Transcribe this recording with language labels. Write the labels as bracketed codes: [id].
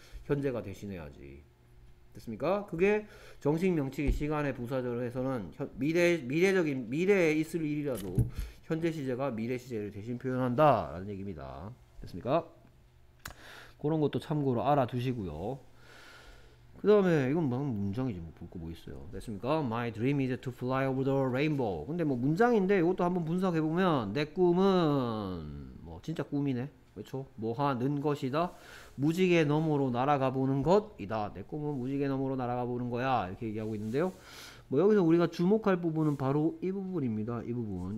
[ko] 현재가 대신해야지. 됐습니까? 그게 정식 명칭이 시간의 부사절에서는 미래적인 미래에 있을 일이라도 현재 시제가 미래 시제를 대신 표현한다라는 얘기입니다. 됐습니까? 그런 것도 참고로 알아두시고요. 그 다음에 이건 뭐 문장이지 뭐볼거뭐 있어요. 됐습니까? [en] My dream is to fly over the rainbow. [ko] 근데 뭐 문장인데 이것도 한번 분석해 보면 내 꿈은 뭐 진짜 꿈이네. 그렇죠? 뭐 하는 것이다. 무지개 너머로 날아가 보는 것이다. 내 꿈은 무지개 너머로 날아가 보는 거야. 이렇게 얘기하고 있는데요. 뭐 여기서 우리가 주목할 부분은 바로 이 부분입니다. 이 부분.